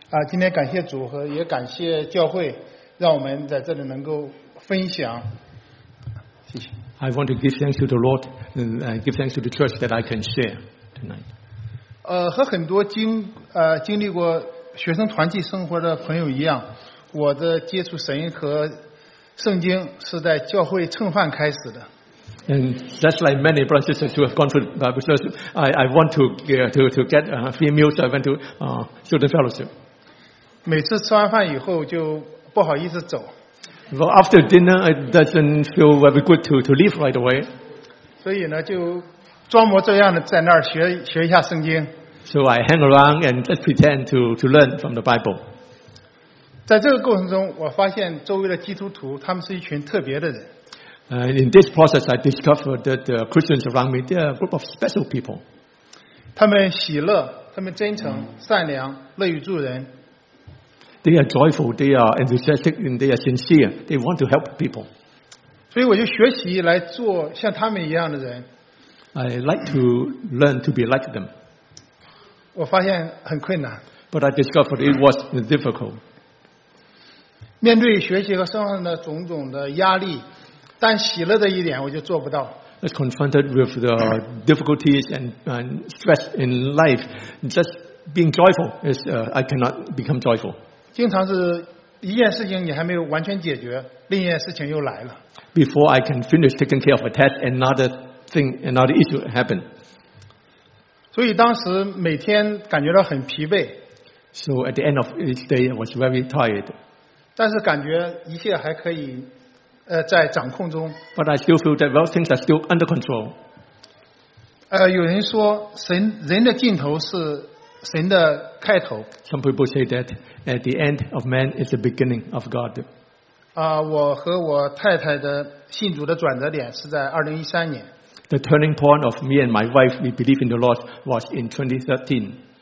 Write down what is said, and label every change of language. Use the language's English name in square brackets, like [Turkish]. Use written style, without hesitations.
[Chinese] 今天感谢主和也感谢教会，让我们在这里能够分享。 [English] I want to give thanks to the Lord and give thanks to the church that I can share tonight. [Chinese] 和很多经历过学生团契生活的朋友一样，我的接触神和圣经是在教会蹭饭开始的。 [English] And that's like many brothers and sisters who have gone through Bible fellowship. I want to get a free meal, so I went to student fellowship. [Chinese] 每次吃完饭以后就不好意思走。 [English] Well, after dinner, it doesn't feel very good to leave right away. [Chinese] 所以呢，就装模作样的在那儿学一下圣经。 [English] So I hang around and just pretend to learn from the Bible. [Chinese] 在这个过程中，我发现周围的基督徒他们是一群特别的人。 [English] In this process, I discovered that the Christians around me they are a group of special people. [Chinese] 他们喜乐，他们真诚、善良、乐于助人。 [English] They are joyful, they are enthusiastic, and they are sincere. They want to help people. [Chinese] 所以我就学习来做像他们一样的人。 [English] I like to learn to be like them. [Chinese] 我发现很困难。 [English] But I discovered it was difficult. [Chinese] 面对学习和生活上的种种的压力，但喜乐的一点我就做不到。 [English] As confronted with the difficulties and stress in life, just being joyful is I cannot become joyful. [Chinese] 经常是一件事情你还没有完全解决，另一件事情又来了。 [English] Before I can finish taking care of a task, another thing, another issue happened. [Chinese] 所以当时每天感觉到很疲惫。 [English] So at the end of each day, I was very tired. [Chinese] 但是感觉一切还可以，在掌控中。 [English] But I still feel that well, things are still under control. [Chinese] 有人说神人的尽头是神的开头。 [English] Some people say that at the end of man is the beginning of God. [Chinese] 我和我太太的信主的转折点是在2013年。 [English] The turning point of me and my wife, we believe in the Lord, was in 2013.